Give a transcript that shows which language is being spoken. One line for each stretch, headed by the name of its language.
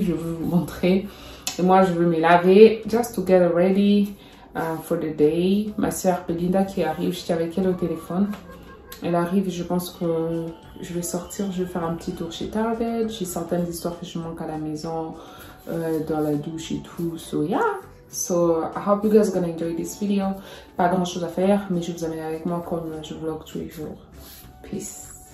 French: Je vais vous montrer. Et moi, je veux me laver,
English: just to get ready for the day.
French: Ma soeur Belinda qui arrive, j'étais avec elle au téléphone. Elle arrive, je pense que je vais sortir, je vais faire un petit tour chez Target. J'ai certaines histoires que je manque à la maison, dans la douche et tout.
English: So, yeah. So, I hope you guys are gonna enjoy this video.
French: Pas grand chose à faire, mais je vous amène avec moi comme je vlog tous les jours. Peace.